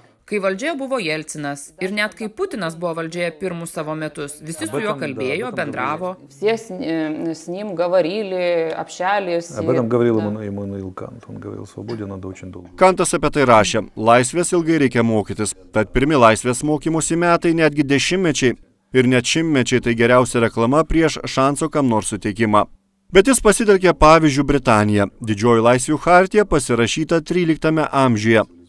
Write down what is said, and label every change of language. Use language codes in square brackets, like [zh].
[lt] kai valdžioje buvo Jelcinas. Ir net kai Putinas buvo valdžioje pirmus savo metus, visi su juo kalbėjo, bendravo. Visi su [ru] ним говорили, общались. Об этом говорил ему Иммануил Кант. Он говорил, свободе надо очень долго. [lt] Кантас apie tai rašė. Laisvės ilgai reikia mokytis. Tad pirmi laisvės mokymosi metai, netgi dešimtmečiai. Ir net šimtmečiai tai geriausia reklama prieš šanso kam nors suteikimą. Bet jis pasitelkė pavyzdžių Britaniją. Didžioji laisvių chartija pasirašyta 13 amžiuje.